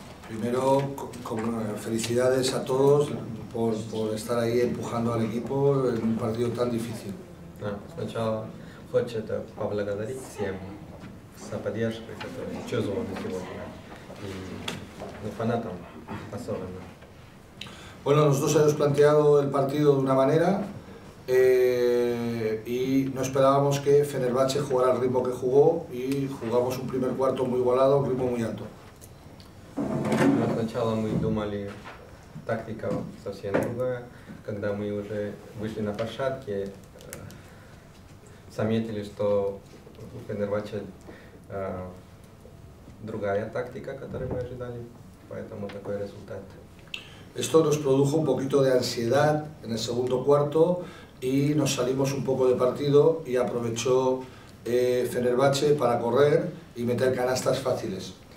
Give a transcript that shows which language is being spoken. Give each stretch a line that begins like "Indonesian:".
Spanish: Primero, felicidades a todos por estar ahí empujando al equipo en un partido tan difícil.
Russian: Сначала хочется поблагодарить всем за поддержку, которая чувствована сегодня, и за фанатам особенно.
Spanish: Bueno, nosotros hemos planteado el partido de una manera y no esperábamos que Fenerbahce jugara al ritmo que jugó y jugamos un primer cuarto muy igualado, un ritmo muy alto.
Russian: Сначала мы думали, тактика совсем другая. Когда мы уже вышли на площадке, заметили, что у Фенербахче другая тактика, которую мы ожидали. Поэтому такой результат.
Spanish: Esto nos produjo un poquito de ansiedad en el segundo cuarto y nos salimos un poco de partido y aprovechó Fenербахче para correr y meter canastas fáciles.